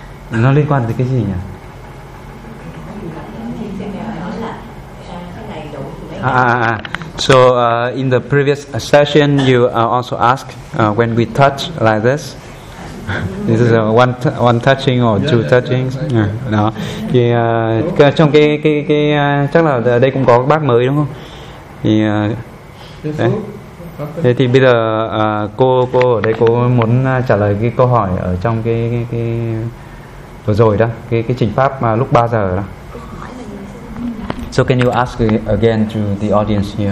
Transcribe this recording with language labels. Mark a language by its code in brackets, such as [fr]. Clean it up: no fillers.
[vi] Nó liên quan tới cái gì nhỉ? [en] So in the previous session you also ask when we touch like this. This is one touching or two touchings. [vi] Đó. Thì trong cái chắc là đây cũng có bác mới đúng không? Thì thế thì bây giờ cô ở đây cô muốn trả lời cái câu hỏi ở trong cái vừa rồi đó, cái trình pháp mà lúc 3 giờ đó. [en] So can you ask again to the audience here?